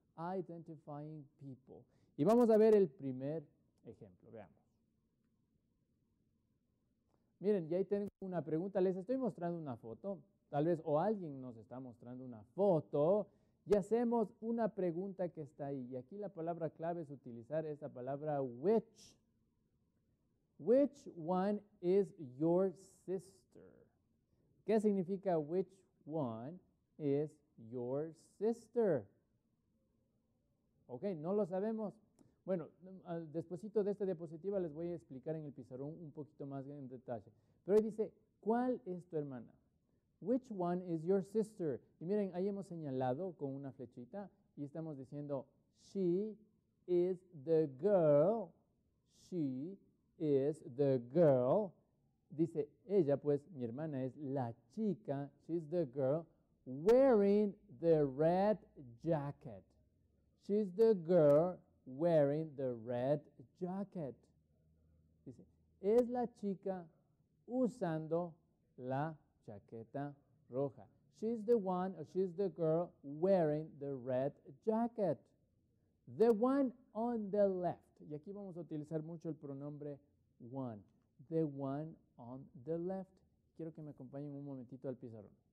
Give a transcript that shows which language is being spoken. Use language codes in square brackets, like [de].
[en] Identifying people. [es] Y vamos a ver el primer ejemplo, veamos. Miren, ya ahí tengo una pregunta, les estoy mostrando una foto, tal vez, o alguien nos está mostrando una foto, y hacemos una pregunta que está ahí, y aquí la palabra clave es utilizar esta palabra, which. [en] Which one is your sister? [es] ¿Qué significa [en] which one is your sister? [es] Ok, no lo sabemos. Bueno, despuesito de esta diapositiva les voy a explicar en el pizarrón un poquito más en detalle. Pero ahí dice, ¿cuál es tu hermana? [en] Which one is your sister? [es] Y miren, ahí hemos señalado con una flechita y estamos diciendo, [en] she is the girl. She is the girl. [es] Dice, ella, pues, mi hermana es la chica. [en] She's the girl wearing the red jacket. She's the girl wearing the red jacket. [es] Dice, es la chica usando la chaqueta roja. [en] She's the one, or she's the girl wearing the red jacket. The one on the left. [es] Y aquí vamos a utilizar mucho el pronombre one. [en] The one on the left. [es] Quiero que me acompañen un momentito al pizarrón.